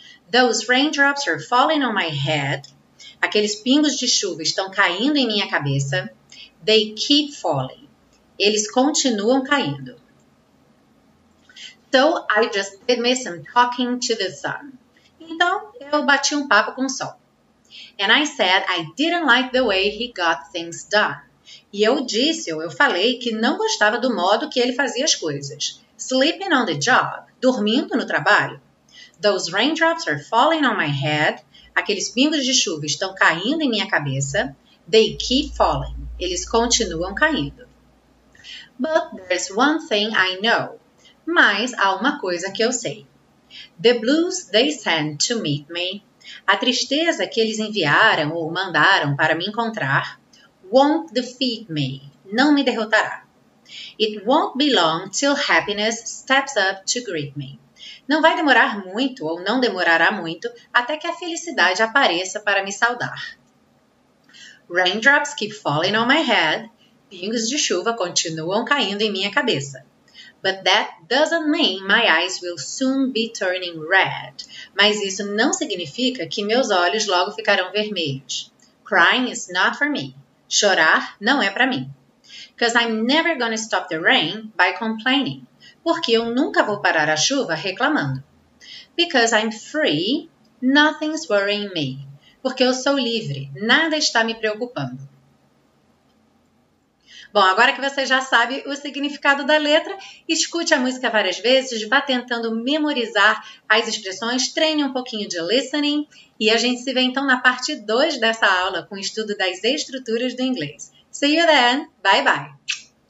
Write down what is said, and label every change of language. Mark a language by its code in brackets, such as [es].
[en] Those raindrops are falling on my head. [pt] Aqueles pingos de chuva estão caindo em minha cabeça. [en] They keep falling. [pt] Eles continuam caindo. [en] So I just did me some talking to the sun. [pt] Então, eu bati um papo com o sol. [en] And I said I didn't like the way he got things done. [pt] E eu disse, ou eu falei, que não gostava do modo que ele fazia as coisas. [en] Sleeping on the job. [pt] Dormindo no trabalho. [en] Those raindrops are falling on my head. [pt] Aqueles pingos de chuva estão caindo em minha cabeça. [en] They keep falling. [pt] Eles continuam caindo. [en] But there's one thing I know. [pt] Mas há uma coisa que eu sei. [en] The blues they sent to meet me. [pt] A tristeza que eles enviaram ou mandaram para me encontrar [en] won't defeat me. [pt] Não me derrotará. [en] It won't be long till happiness steps up to greet me. [pt] Não vai demorar muito, ou não demorará muito, até que a felicidade apareça para me saudar. [en] Raindrops keep falling on my head. [pt] Pingos de chuva continuam caindo em minha cabeça. [en] But that doesn't mean my eyes will soon be turning red. [pt] Mas isso não significa que meus olhos logo ficarão vermelhos. [en] Crying is not for me. [pt] Chorar não é para mim. [en] Because I'm never gonna stop the rain by complaining. [pt] Porque eu nunca vou parar a chuva reclamando. [en] Because I'm free, nothing's worrying me. [pt] Porque eu sou livre, nada está me preocupando. Bom, agora que você já sabe o significado da letra, escute a música várias vezes, vá tentando memorizar as expressões, treine um pouquinho de listening e a gente se vê então na parte 2 dessa aula com o estudo das estruturas do inglês. [en] See you then. Bye bye.